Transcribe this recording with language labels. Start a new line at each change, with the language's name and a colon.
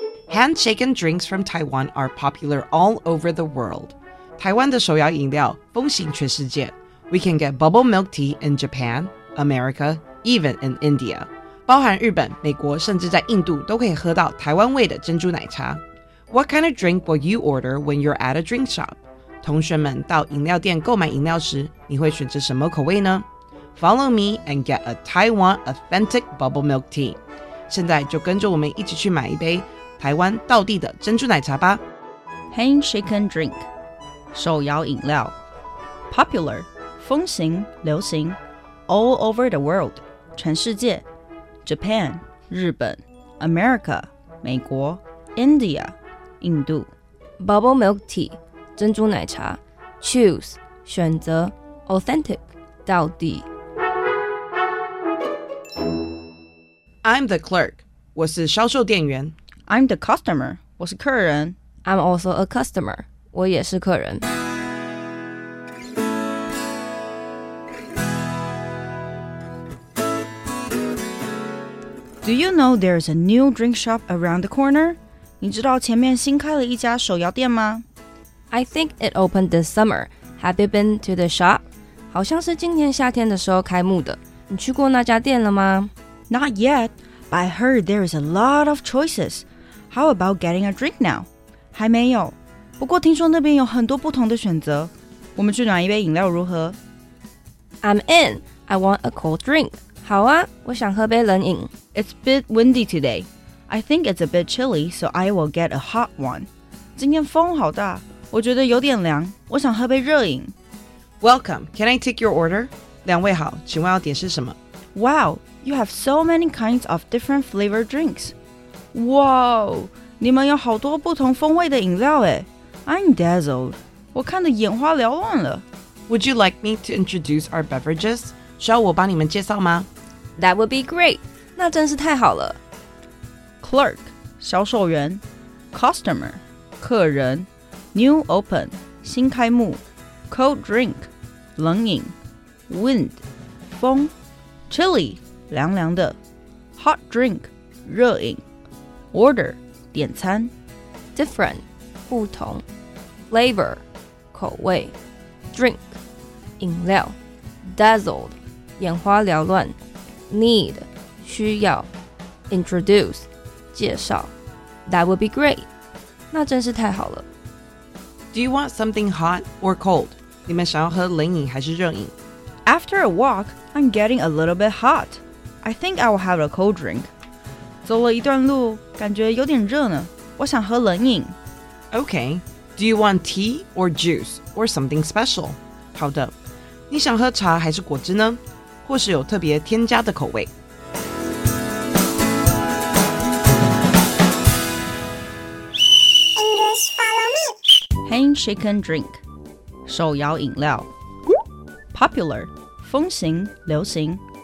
English: Handshaken drinks from Taiwan are popular all over the world.
Chinese: 台湾的手摇饮料风行全世界。
English: We can get bubble milk tea in Japan, America, even in India.
Chinese: 包含日本、美国甚至在印度都可以喝到台湾味的珍珠奶茶。
English: What kind of drink will you order when you're at a drink shop?
Chinese: 同学们到饮料店购买饮料时你会选择什么口味呢？
English: Follow me and get a Taiwan authentic bubble milk tea.
Chinese: 现在就跟着我们一起去买一杯台湾道地的珍珠奶茶吧。
English: Handshaken drink 手摇饮料 Popular 风行流行 All over the world 全世界 Japan 日本 America 美国 India 印度 Bubble milk tea 珍珠奶茶 Choose 选择 Authentic 道地 I'm the clerk
Chinese: 我是销售店员
English: I'm the customer,
Chinese: 我是客人。
English: I'm also a customer,
Chinese: 我也是客人。
English: Do you know there's a new drink shop around the corner?
Chinese: 你知道前面新开了一家手摇店吗？
English: I think it opened this summer. Have you been to the shop?
Chinese: 好像是今年夏天的时候开幕的。你去过那家店了吗？
English: Not yet, but I heard there's a lot of choices. How about getting a drink now?
Chinese: 还没有，不过听说那边有很多不同的选择。我们去拿一杯饮料如何？
English: I'm in. I want a cold drink.
Chinese: 好啊，我想喝杯冷饮。
English: It's a bit windy today. I think it's a bit chilly, so I will get a hot one.
Chinese: 今天风好大，我觉得有点凉，我想喝杯热饮。
English: Welcome. Can I take your order?
Chinese: 两位好，请问要点是什么？
English: Wow, you have so many kinds of different flavored drinks.
Chinese: 哇、wow, 你们有好多不同风味的饮料耶
English: I'm dazzled
Chinese: 我看得眼花缭乱了
English: Would you like me to introduce our beverages?
Chinese: 需要我帮你们介绍吗
English: That would be great
Chinese: 那真是太好了
English: Clerk 销售员 Customer 客人 New open 新开幕 Cold drink 冷饮 Wind 风 Chilly 凉凉的 Hot drink 热饮Order, 点餐 Different, 不同 Flavor, 口味 Drink, 饮料 Dazzled, 眼花缭乱 Need, 需要 Introduce, 介绍 That would be great
Chinese: 那真是太好了
English: Do you want something hot or cold?
Chinese: 你们想要喝冷饮还是热饮
English: After a walk, I'm getting a little bit hot I think I will have a cold drink
Chinese: 走了一段路，感觉有点热呢。我想喝冷饮。
English: Okay, do you want tea or juice or something special?
Chinese: 好的，你想喝茶还是果汁呢？或是有特别添加的口味
English: ？English follow me. Handshaken drink, 手摇饮料。Popular, 风行流行。